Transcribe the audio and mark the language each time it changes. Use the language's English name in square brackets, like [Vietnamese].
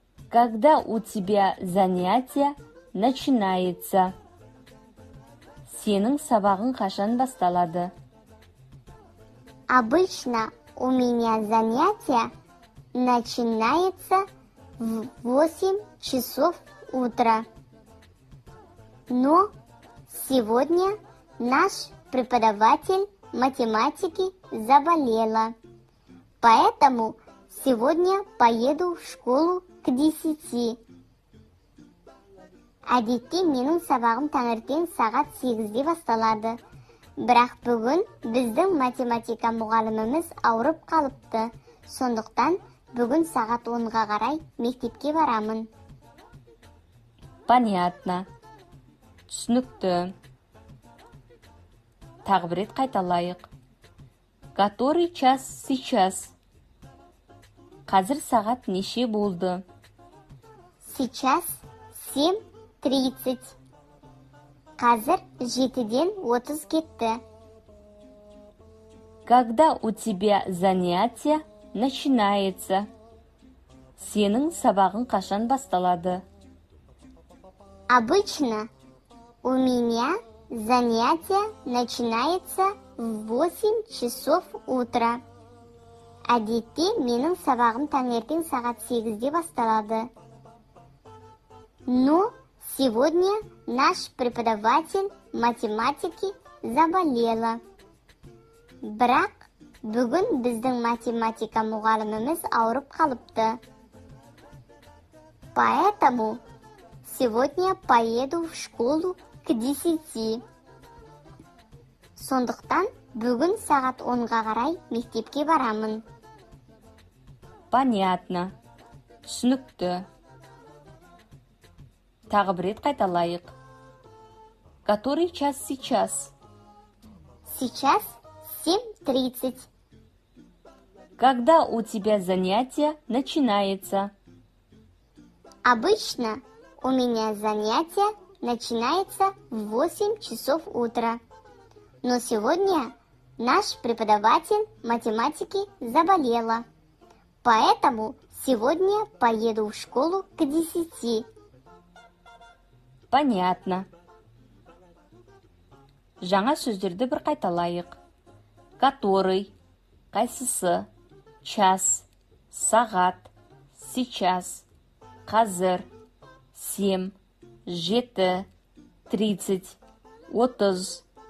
[Russian] Когда у тебя занятие начинается? [Kazakh] Сенің сабағың қашан басталады? [Russian] Обычно у меня занятие начинается в 8:00 утра. Но сегодня наш преподаватель математики заболела. Поэтому сегодня поеду в школу к 10:00. [Kazakh] Әдетте менің сабағым таңертең сағат 8:00 басталады. Бірақ бүгін біздің математика мұғаліміміз ауырып қалыпты. Сондықтан бүгін сағат 10:00 қарай мектепке барамын. [Russian] Понятно. [Kazakh] Түсінікті. Тағы бір рет қайталайық. [Russian] Который час сейчас? [Kazakh] Қазір сағат неше болды? [Russian] Сейчас 7:30. [Kazakh] Қазір 7:30 кетті. [Russian] Когда у тебя занятие начинается? [Kazakh] Сенің сабағың қашан басталады? [Russian] Обычно у меня занятие начинается в 8:00 утра. [Kazakh] Әдетте менің сабағым таңертең сағат 8:00 басталады. [Russian] Но сегодня наш преподаватель математики заболела. [Kazakh] Бірақ бүгін біздің математика мұғаліміміз ауырып қалыпты. [Russian] Поэтому сегодня поеду в школу к 10:00. [Kazakh] Сондықтан бүгін сағат 10:00 қарай мектепке барамын. [Russian] Понятно. [Kazakh] Түсінікті. Тағы бір рет қайталайық. [Russian] Который час сейчас? Сейчас 7:30. Когда у тебя занятие начинается? Обычно у меня занятие начинается в 8:00 утра. Но сегодня наш преподаватель математики заболела. Поэтому сегодня поеду в школу к 10:00. Понятно. [Kazakh] Жаңа сөздерді бір қайталайық. Который, қайсысы, час, сағат, сейчас, қазір, сем, жеті, тридцать, отыз,